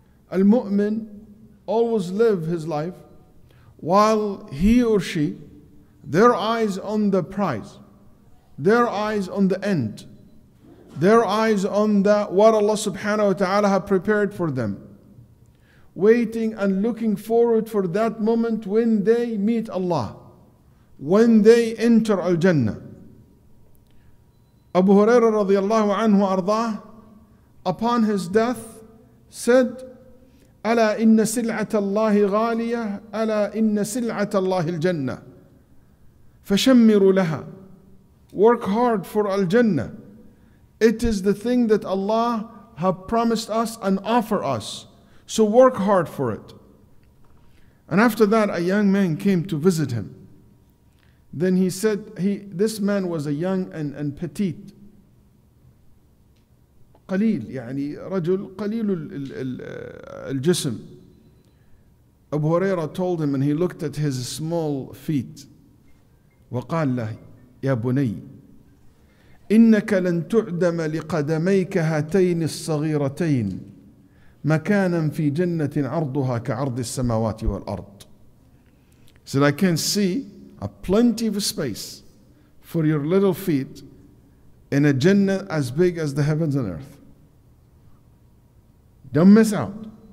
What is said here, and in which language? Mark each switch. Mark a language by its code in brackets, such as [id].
[en] Al-mu'min always live his life while he or she, their eyes on the prize, their eyes on the end, their eyes on the what Allah subhanahu wa ta'ala have prepared for them, waiting and looking forward for that moment when they meet Allah, when they enter al-Jannah. Abu Huraira radiallahu anhu ardah, upon his death, said, [ar] ألا إن سلعة الله غالية ألا إن سلعة الله الجنة فشمروا لها. [en] Work hard for al-Jannah. It is the thing that Allah have promised us and offer us. So work hard for it. And after that, a young man came to visit him. Then he said, this man was a young and petite. [ar] قليل يعني رجل قليل الجسم. [en] أبو هريرة told him, and he looked at his small feet. [ar] وقال له يا بني إنك لن تعدم لقدميك هاتين الصغيرتين مكانا في جنة عرضها كعرض السماوات والأرض. [en] He said, I can see a plenty of space for your little feet in a jannah as big as the heavens and earth. Don't miss out.